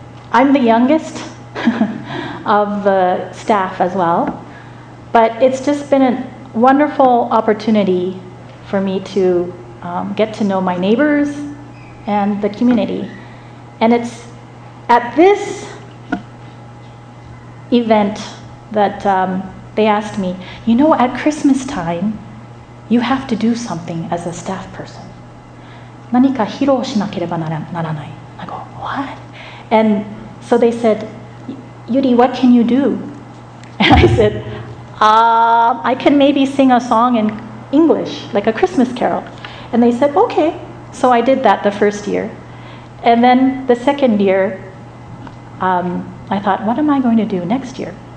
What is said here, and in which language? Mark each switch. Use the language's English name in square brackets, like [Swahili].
[English] I'm the youngest of the staff as well, but it's just been a wonderful opportunity for me to get to know my neighbors and the community. And it's at this event that they asked me, you know, at Christmas time, you have to do something as a staff person. [Japanese] 何か披露しなければならない. [English] I go, what? And so they said, Yuri, what can you do? And I said, I can maybe sing a song in English, like a Christmas carol. And they said, okay. So I did that the first year. And then the second year, I thought, what am I going to do next year?